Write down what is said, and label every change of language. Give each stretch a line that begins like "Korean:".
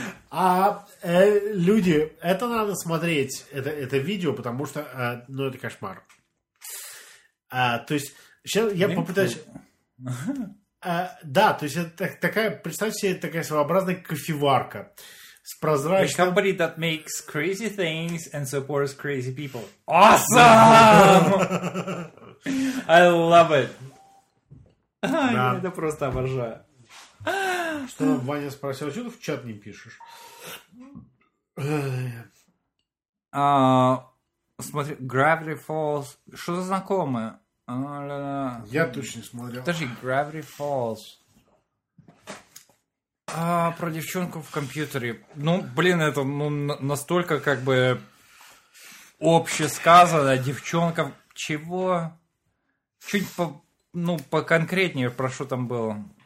Russian: А люди, это надо смотреть, это видео, потому что, ну, это кошмар. То есть, сейчас я попытаюсь... Да, то есть, это такая, представьте себе, такая своеобразная кофеварка с прозрачным...
English: The company that makes crazy things and supports crazy people. Awesome! I love it.
Russian: Я это просто обожаю. Что Ваня спросил, а что ты в чат не пишешь? Смотри, Gravity Falls. Что за знакомое? Я точно не смотрел. Подожди, Gravity Falls. Про девчонку в компьютере. Ну, блин, это настолько как бы общесказано. Девчонка... Чего? Чуть поконкретнее про что там было.